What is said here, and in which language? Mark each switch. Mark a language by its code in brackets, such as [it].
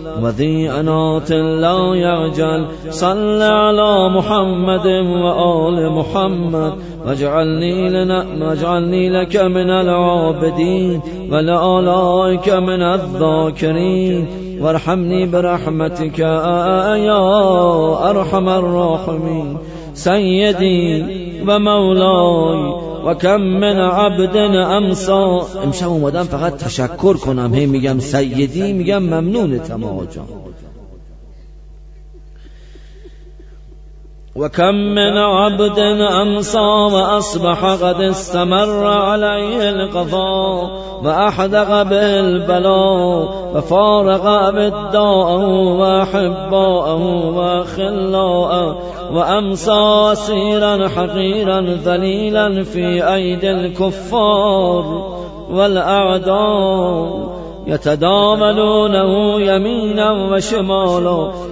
[ar] وذي أنات لا يعجل صل على محمد وآل محمد واجعلني لك من العابدين ولآلائك من الذاكرين وارحمني برحمتك يا أرحم الراحمين سيدي ومولاي وكم من عبد امسى [fa] امشب اومدم فقط تشکر کنم هی میگم سیدی میگم ممنون تمام جا [ar] وكم من عبد امسى واصبح قد استمر عليه القضاء واحدق بالبلاء وفارق ابداءه واحباءه وخلاءه وامسى اسيرا حقيرا ذليلا في ايدي الكفار والاعداء يتداولونه يمينا وشمالا